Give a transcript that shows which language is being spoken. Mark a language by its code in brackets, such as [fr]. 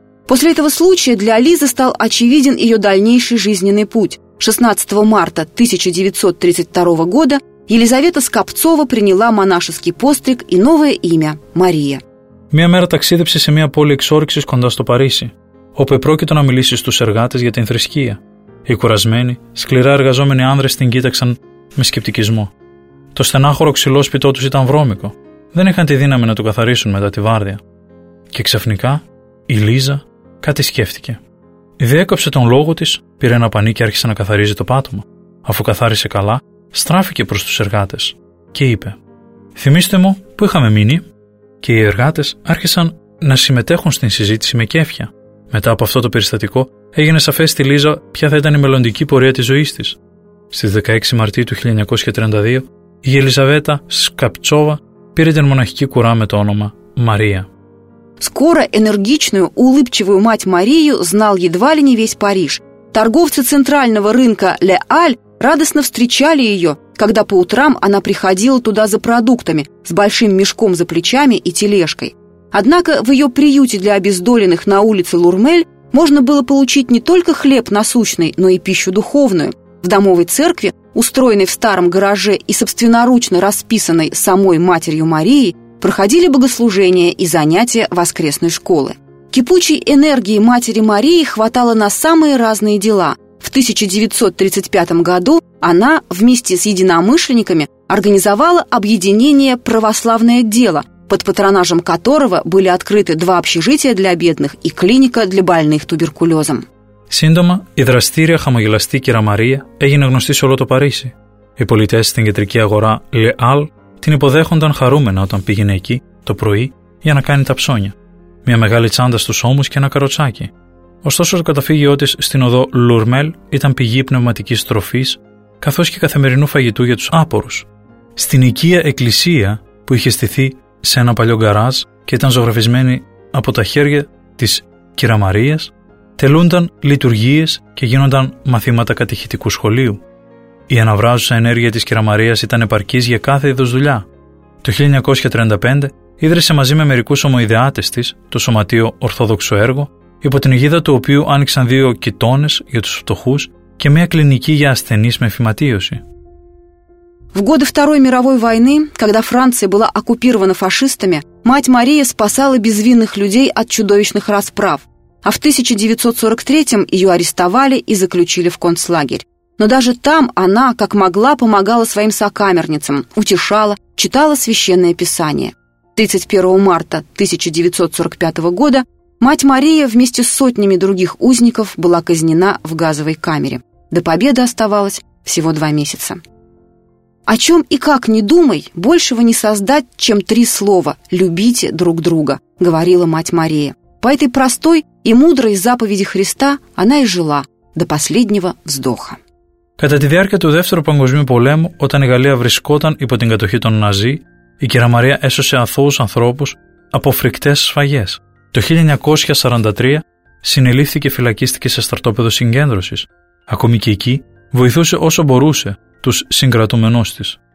[ru] После этого случая для Лизы стал очевиден ее дальнейший жизненный путь. 16 марта 1932 года Елизавета Скопцова приняла монашеский постриг и новое имя – Мария. [el] Мия мера таксидепсе се мия поле эксорксис кондо сто Париси, όπου επρόκειτο να μιλήσει στους εργάτες για την θρησκεία. Οι κουρασμένοι, σκληρά εργαζόμενοι άνδρες την κοίταξαν με σκεπτικισμό. Το στενάχωρο ξυλόσπιτό τους ήταν βρώμικο. Δεν είχαν τη δύναμη να το καθαρίσουν μετά τη βάρδια. Και ξαφνικά, η Λίζα κάτι σκέφτηκε. Διέκοψε τον λόγο της, πήρε ένα πανί και άρχισε να καθαρίζει το πάτωμα. Αφού καθάρισε καλά, στράφηκε προς τους εργάτες και είπε: «Θυμήστε μου που είχαμε μείνει?» Και οι εργάτες άρχισαν να συμμετέχουν στην συζήτηση με κέφια. Μετά από αυτό το περιστατικό, έγινε σαφές στη Λίζα ποια θα ήταν η μελλοντική πορεία της ζωής της. Στις 16 Μαρτίου του 1932, η Ελιζαβέτα Σκαπτσόβα πήρε την μοναχική κουρά με το όνομα Μαρία. [ru] Скоро энергичную, улыбчивую мать Марию знал едва ли не весь Париж. Торговцы центрального рынка «Ле Аль» радостно встречали ее, когда по утрам она приходила туда за продуктами с большим мешком за плечами и тележкой. Однако в ее приюте для обездоленных на улице Лурмель можно было получить не только хлеб насущный, но и пищу духовную. В домовой церкви устроенной в старом гараже и собственноручно расписанной самой матерью Марией, проходили богослужения и занятия воскресной школы. Кипучей энергии матери Марии хватало на самые разные дела. В 1935 году она вместе с единомышленниками организовала объединение «Православное дело», под патронажем которого были открыты два общежития для бедных и клиника для больных туберкулезом. [el] Σύντομα, η δραστήρια χαμογελαστή κυρά Μαρία έγινε γνωστή σε όλο το Παρίσι. Οι πολιτές στην κεντρική αγορά Le Hall την υποδέχονταν χαρούμενα όταν πήγαινε εκεί το πρωί για να κάνει τα ψώνια. Μια μεγάλη τσάντα στους ώμους και ένα καροτσάκι. Ωστόσο, το καταφύγιό της στην οδό Λουρμέλ ήταν πηγή πνευματικής τροφής, καθώς και καθημερινού φαγητού για τους άπορους. Στην οικία εκκλησία που είχε στηθεί σε ένα παλιό γκαράζ και ήταν ζωγραφισμένη από τα χέρια της κυρά Μαρίας, τελούνταν λειτουργίες και γίνονταν μαθήματα κατηχητικού σχολείου. Η αναβράζουσα ενέργεια της κυρά Μαρίας ήταν επαρκής για κάθε είδος δουλειά. Το 1935 ίδρυσε μαζί με μερικούς ομοειδεάτες της το Σωματείο Ορθόδοξο Έργο, υπό την αιγίδα του οποίου άνοιξαν δύο κοιτώνες για τους φτωχούς και μια κλινική για ασθενείς με φυματίωση. [ru] В годы Второй мировой войны, когда Франция была оккупирована фашистами, мать Мария спасала безвинных людей от чудовищных расправ, а в 1943-м ее арестовали и заключили в концлагерь. Но даже там она, как могла, помогала своим сокамерницам, утешала, читала Священное Писание. 31 марта 1945 года мать Мария вместе с сотнями других узников была казнена в газовой камере. До победы оставалось всего два месяца. О чем и как не думай, большего не создать, чем три слова «любите друг друга», говорила мать Мария. По этой простой и мудрой заповеди Христа она и жила до последнего вздоха. [el] Κατά τη διάρκεια του Δεύτερου Παγκοσμίου Πολέμου, όταν η Γαλλία βρισκόταν υπό την κατοχή των Ναζί, η κυρά Μαρία έσωσε αθώους ανθρώπους από φρικτές σφαγές. Το 1943 συνελήφθηκε φυλακίστηκε σε στρατόπεδο συγκέντρωσης. Ακόμη και εκεί βοηθούσε όσο μπορούσε τους συγκρατουμενούς της.